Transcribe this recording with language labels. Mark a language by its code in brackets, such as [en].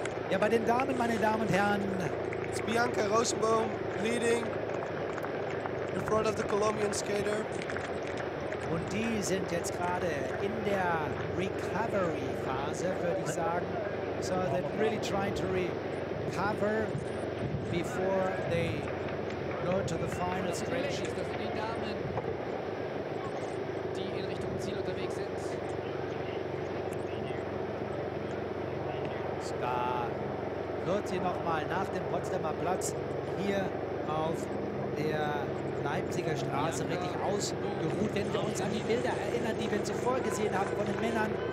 [de] Ja, bei den Damen, meine Damen und Herren. [en] It's Bianca Rosenbaum leading in front of the Colombian skater. [de] Und die sind jetzt gerade in der Recovery-Phase, würde ich sagen. [en] So, they're really trying to recover before they go to the final stretch. [de] Ist das für die Damen, die in Richtung Ziel unterwegs sind? Da wird sie nochmal nach dem Potsdamer Platz hier auf der Leipziger Straße richtig ausgeruht, wenn wir uns an die Bilder erinnern, die wir zuvor gesehen haben von den Männern.